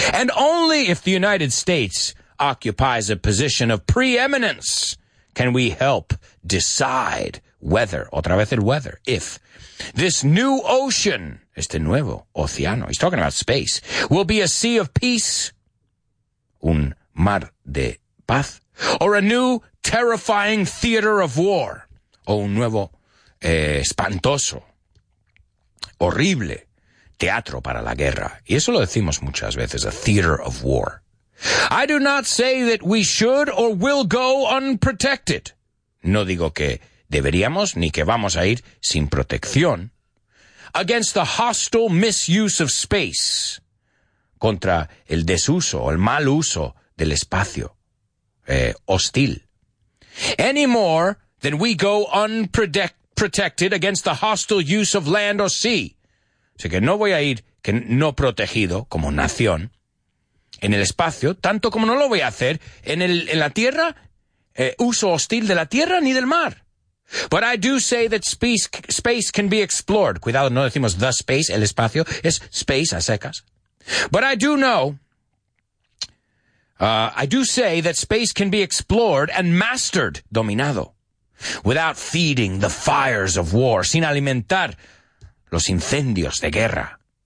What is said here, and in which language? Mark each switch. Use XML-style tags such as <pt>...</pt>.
<en>And only if the United States occupies a position of preeminence can we help decide whether,</en> <es>otra vez el</es> <en>weather, if this new ocean,</en> <es>este nuevo océano,</es> <en>he's talking about space, will be a sea of peace,</en> <es>un mar de paz,</es> <en>or a new terrifying theater of war,</en> <es>o un nuevo espantoso, horrible teatro para la guerra. Y eso lo decimos muchas veces,</es> <en>a theater of war. I do not say that we should or will go unprotected.</en> <es>No digo que deberíamos ni que vamos a ir sin protección.</es> <en>Against the hostile misuse of space.</en> <es>Contra el desuso o el mal uso del espacio. Hostil.</es> <en>Any more than we go unprotected against the hostile use of land or sea.</en> <es>O sea que no voy a ir que no protegido como nación. En el espacio, tanto como no lo voy a hacer en la tierra, uso hostil de la tierra ni del mar.</es> <en>But I do say that space can be explored.</en> <es>Cuidado, no decimos the space, el espacio, es space a secas.</es> <en>But I do know, I do say that space can be explored and mastered, dominado, without feeding the fires of war,</en> <es>sin alimentar los incendios de guerra.</es>